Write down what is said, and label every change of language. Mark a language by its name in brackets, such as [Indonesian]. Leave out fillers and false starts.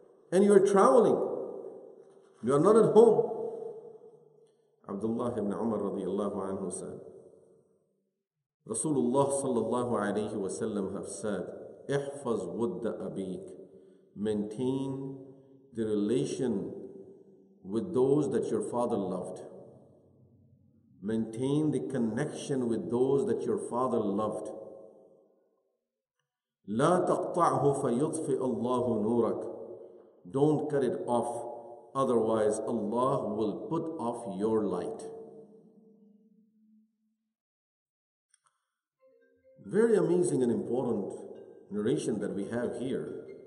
[English] And you are traveling. You are not at home. Abdullah ibn Umar radiallahu anhu said, Rasulullah sallallahu alayhi wa sallam have said, [Arabic] احفظ ود أبيك. [English] Maintain the relation with those that your father loved. Maintain the connection with those that your father loved. [Arabic] لا تقطعه فيطفي الله نورك. [English] Don't cut it off, otherwise Allah will put off your light. Very amazing and important narration that we have here.